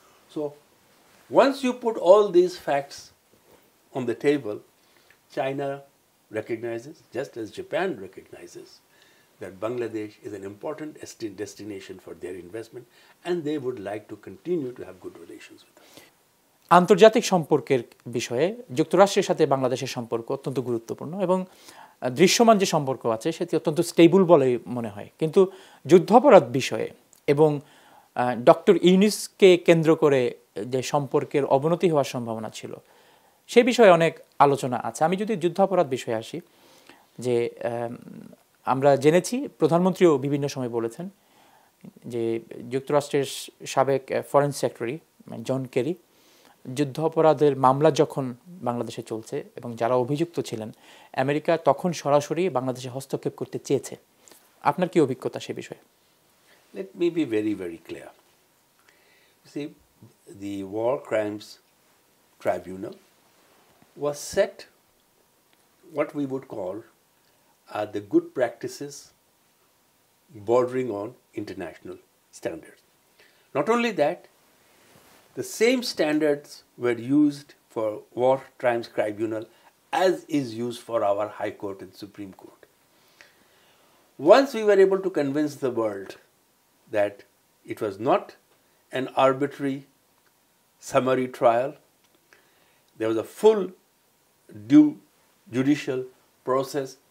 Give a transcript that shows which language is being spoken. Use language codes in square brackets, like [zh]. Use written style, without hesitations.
[en] So, once you put all these facts on the table, China recognizes, just as Japan recognizes, that Bangladesh is an important destination for their investment, and they would like to continue to have good relations with us. [bn] আন্তর্জাতিক সম্পর্কের বিষয়ে যুক্তরাষ্ট্রের সাথে বাংলাদেশের সম্পর্ক অত্যন্ত গুরুত্বপূর্ণ এবং দৃশ্যমান যে সম্পর্ক আছে সেটি অত্যন্ত স্টেবল বলে মনে হয়। কিন্তু যুদ্ধাপরাধ বিষয়ে এবং ডক্টর ইউনিসকে কেন্দ্র করে যে সম্পর্কের অবনতি হওয়ার সম্ভাবনা ছিল সে বিষয়ে অনেক আলোচনা আছে। আমি যদি যুদ্ধাপরাধ বিষয়ে আসি, যে আমরা জেনেছি প্রধানমন্ত্রীও বিভিন্ন সময় বলেছেন যে যুক্তরাষ্ট্রের সাবেক ফরেন সেক্রেটারি জন কেরি যুদ্ধ অপরাধের মামলা যখন বাংলাদেশে চলছে এবং যারা অভিযুক্ত ছিলেন, আমেরিকা তখন সরাসরি বাংলাদেশে হস্তক্ষেপ করতে চেয়েছে। আপনার কি অভিজ্ঞতা সে বিষয়ে? [en] Let me be very very clear, you see, the war crimes tribunal was set what we would call are the good practices bordering on international standards. Not only that, the same standards were used for war crimes tribunal as is used for our high court and supreme court. Once we were able to convince the world that it was not an arbitrary summary trial, there was a full due judicial process.